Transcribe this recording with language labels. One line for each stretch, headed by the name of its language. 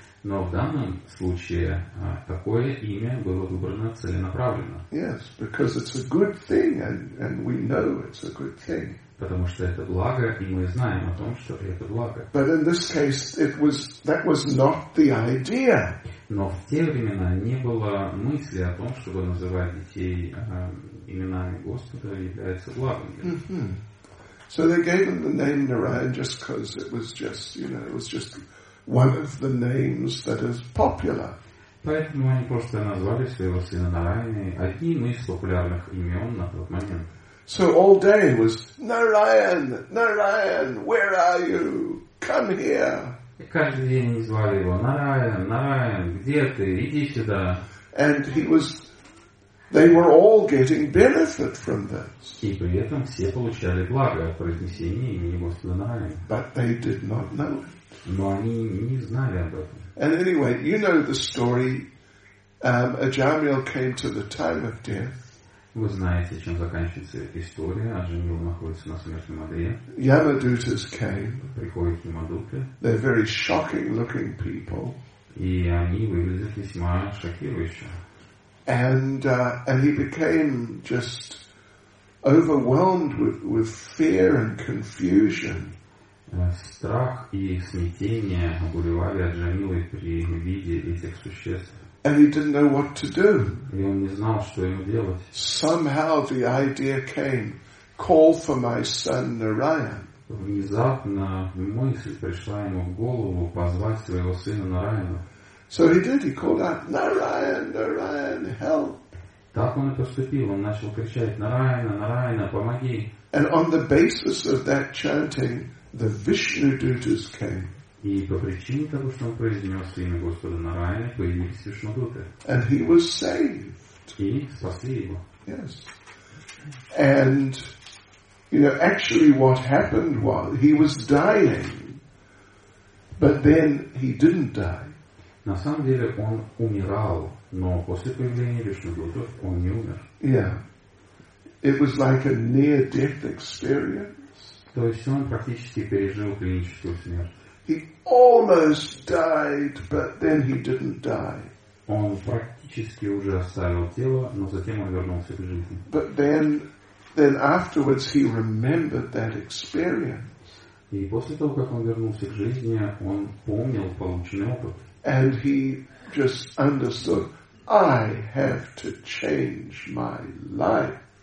Russian: Но в данном случае такое имя было выбрано целенаправленно.
English: Yes, because it's a good thing, and we know it's a good thing.
Russian: Потому что это благо, и мы знаем о том, что это благо.
English: But in this case, that was not the idea.
Russian: Но в те времена не было мысли о том, чтобы называть детей именами Господа является благом. Mm-hmm.
English: So they gave him the name Narayan just because it was just, you know, it was just one of the names that is popular.
Russian: Поэтому они просто назвали своего сына Нарайаной одним из популярных имен на тот момент.
English: So all day was Narayan, Narayan, where are you? Come here.
Russian: И каждый день они звали его Нарайан, Нарайан, где ты? Иди сюда.
English: And they were all getting benefit from this.
Russian: И при этом все получали благо от произнесения имени Господа Нарайана.
English: But they did not know it.
Russian: Но они не знали об этом.
English: And anyway, you know the story. Ajamil came to the time of death.
Russian: Вы знаете, чем заканчивается история. Ajamil находится на смертном одре.
English: Yamadutas came.
Russian: Приходят Yamadutas.
English: They're very shocking looking people.
Russian: И они выглядят весьма шокирующе.
English: And he became just overwhelmed with fear and confusion.
Russian: Страх и смятение обуревали Аджамилы при виде этих существ.
English: And he didn't know what to do.
Russian: И он не знал, что ему делать.
English: Somehow the idea came, call for my son Narayan.
Russian: Внезапно мысль пришла ему в голову позвать своего сына Нараяна.
English: So he did. He called out, Narayan, Narayan, help!
Russian: Так он и поступил. Он начал кричать, Нараяна, Нараяна, помоги!
English: And on the basis of that chanting, the Vishnu Dutas came.
Russian: И по причине того, что он произнес имя Господа Нараяна, появились Вишну Дуты.
English: And he was saved.
Russian: И спасли его.
English: Yes. And, you know, actually what happened was, he was dying, but then he didn't die.
Russian: На самом деле он умирал, но после появления Вишну Дуты он не умер.
English: Yeah. It was like a near-death experience.
Russian: То есть он практически пережил клиническую смерть.
English: He almost died, but then he didn't die.
Russian: Он практически уже оставил тело, но затем он вернулся к жизни.
English: But then afterwards he remembered that experience.
Russian: И после того, как он вернулся к жизни, он помнил полученный опыт.
English: And he just understood, I have to change my life.